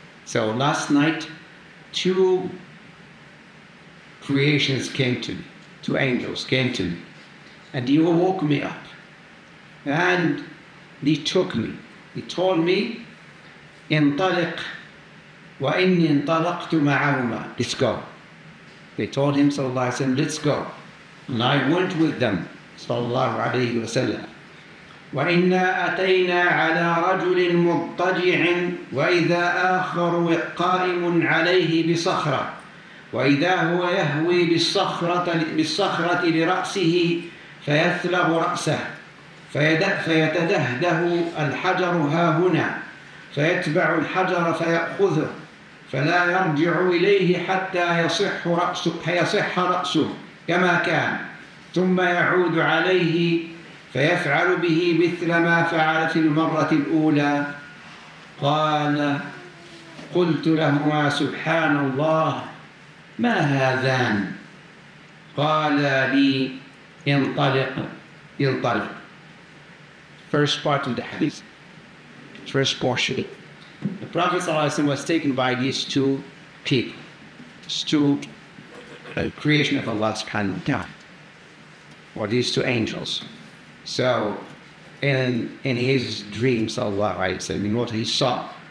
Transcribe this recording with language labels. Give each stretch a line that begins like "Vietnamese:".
English: So last night, two creations came to me, two angels came to me, and he woke me up, and he took me. He told me,
Arabic: انطلق وإني انطلقت معهما.
English: Let's go. They told him, sallallahu alayhi wa sallam, let's go. And I went with them, sallallahu alayhi wa sallam.
Arabic: وإنا أتينا على رجل مضطجع وإذا آخر قائم عليه بصخرة وإذا هو يهوي بالصخرة لرأسه فيثلب رأسه فيتدهده الحجر ها هنا فيتبع الحجر فيأخذه فلا يرجع إليه حتى يصح رأسه كما كان ثم يعود عليه فيفعل به مثل ما فعل في المرة الأولى. قال قلت لهما سبحان الله ما هذان؟ قال لي انطلق.
English: First part of the hadith. First portion. The Prophet ﷺ was taken by these two people. These two creation of Allah subhanahu wa ta'ala. Or these two angels. So, in his dream, sallallahu alayhi wa sallam, in what he saw.